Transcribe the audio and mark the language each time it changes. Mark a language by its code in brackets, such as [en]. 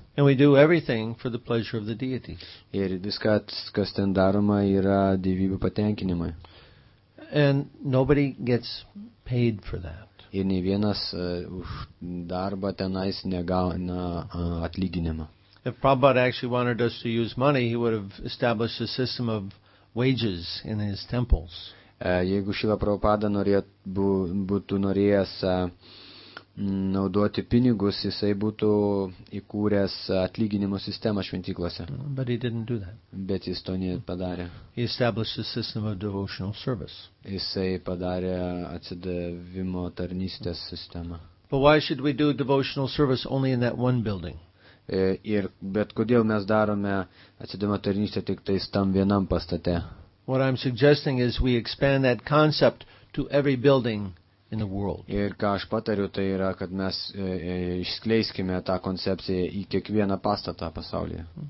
[en] And we do everything for the pleasure of the deity. [lt] Ir viskas, kas ten daroma, yra dievybių patenkinimui. [en] And nobody gets paid for that. [lt] Ir nei vienas už darbą tenais negauna atlyginimą. [en] If Prabhupada actually wanted us to use money, he would have established a system of wages in his temples. [lt] Jeigu Šila Prabhupada būtų norėjęs naudoti pinigus, jisai būtų įkūręs atlyginimo sistemą šventyklose. [en] But he didn't do that. [lt] Bet jis to nepadarė. [en] He established a system of devotional service. [lt] Jisai padarė atsidavimo tarnystės sistemą. [en] But why should we do devotional service only in that one building? [lt] Ir bet kodėl mes darome atsidavimo tarnystę tik tais tam vienam pastate? [en] What I'm suggesting is we expand that concept to every building in the world. [lt] Ir ką aš patariu, tai yra, kad mes išskleiskime tą koncepciją į kiekvieną pastatą pasaulyje.